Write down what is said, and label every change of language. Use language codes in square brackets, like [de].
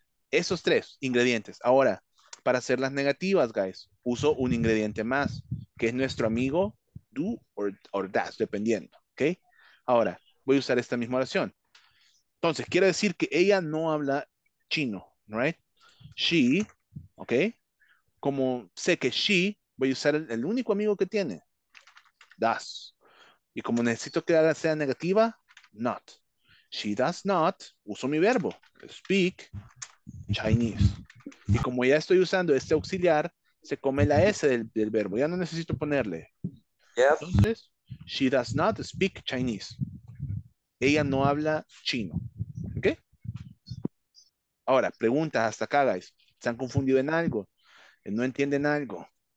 [es] Esos tres ingredientes. Ahora, para hacer las negativas, guys, uso un ingrediente más, que es nuestro amigo [en] do or does, [es] dependiendo, ¿ok? Ahora, voy a usar esta misma oración. Entonces, quiere decir que ella no habla chino, right? She, ¿ok? como sé que she, voy a usar el único amigo que tiene. Does. Y como necesito que ahora sea negativa, not. [en] She does not, [es] uso mi verbo, [en] speak Chinese. [es] Y como ya estoy usando este auxiliar, se come la S del verbo, ya no necesito ponerle. Yep. Entonces, [en] she does not speak Chinese. [es] Ella no habla chino. ¿Ok? Ahora, preguntas hasta acá, guys. ¿Se han confundido en algo? ¿No entienden algo?